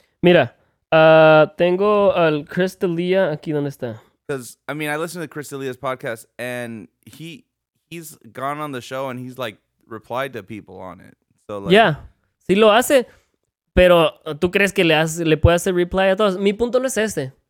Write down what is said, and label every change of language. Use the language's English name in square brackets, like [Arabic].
[Spanish] Mira, tengo al Chris D'Elia aquí, ¿dónde está? [English] Because, I mean, I listened to Chris D'Elia's podcast, and he's gone on the show, and he's, like, replied to people on it. So like, [Spanish] yeah, sí lo hace, pero ¿tú crees que le puede hacer reply a todos? Mi punto no es este.